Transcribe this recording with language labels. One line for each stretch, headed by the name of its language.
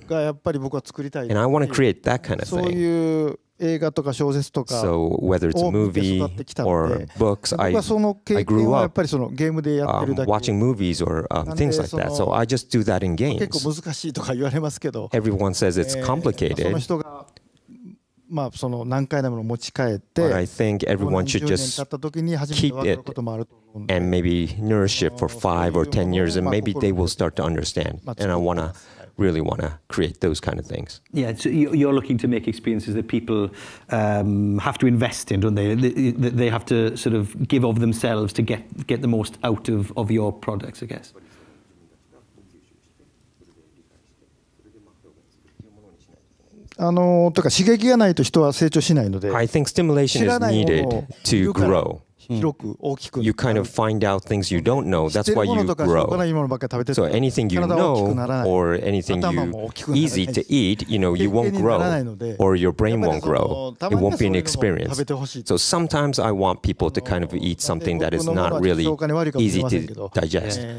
English: And I want to create that kind of thing. So whether it's a movie or books, I grew up watching movies or things like that. So I just do that in games. Everyone says it's complicated.
Japanese: まあ、その何回でも持ち帰って、
English: But I think everyone should just keep it and maybe nourish it for 5 or 10 years, and maybe they will start to understand. And I wanna really wanna create those kind of things. Yeah, so you're looking to make experiences that people have to invest in, don't they? That they have to sort of give of themselves to get the most out of your products, I guess.
Japanese: とか刺激がないと人は成長しないので
English: I think stimulation is needed to grow.
Japanese: 広く大きく
English: You kind of find out things you don't know. That's why you grow. So anything you know or anything you easy to eat, you know, you won't grow or your brain won't grow. It won't be an experience. So sometimes I want people to kind of eat something that is not really easy to digest.